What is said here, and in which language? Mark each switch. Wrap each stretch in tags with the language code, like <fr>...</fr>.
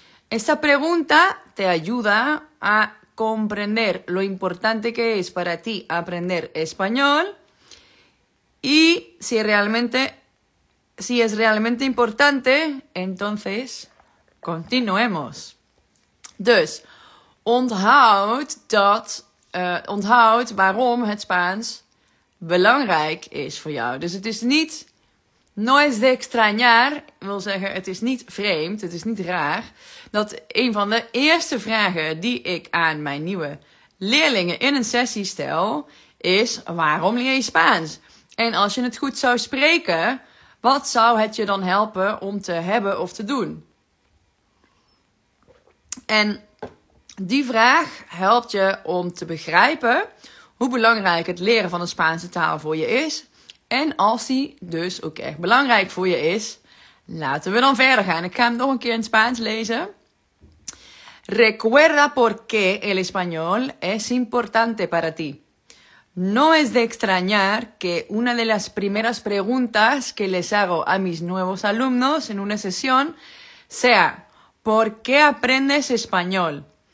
<es>Esta pregunta te ayuda a comprender lo importante que es para ti aprender español y si es realmente importante, entonces continuemos.</es> <nl>Dus, onthoud waarom het Spaans belangrijk is voor jou. Dus het is niet,</nl> <es>no es de extrañar,</es> <nl>wil zeggen, het is niet vreemd, het is niet raar, dat een van de eerste vragen die ik aan mijn nieuwe leerlingen in een sessie stel, is: waarom leer je Spaans? En als je het goed zou spreken, wat zou het je dan helpen om te hebben of te doen? En die vraag helpt je om te begrijpen hoe belangrijk het leren van de Spaanse taal voor je is. En als die dus ook echt belangrijk voor je is, laten we dan verder gaan. Ik ga hem nog een keer in Spaans lezen.</nl> <es>Recuerda por qué el español es importante para ti. No es de extrañar que una de las primeras preguntas que les hago a mis nuevos alumnos en una sesión sea: ¿por qué aprendes español?</es>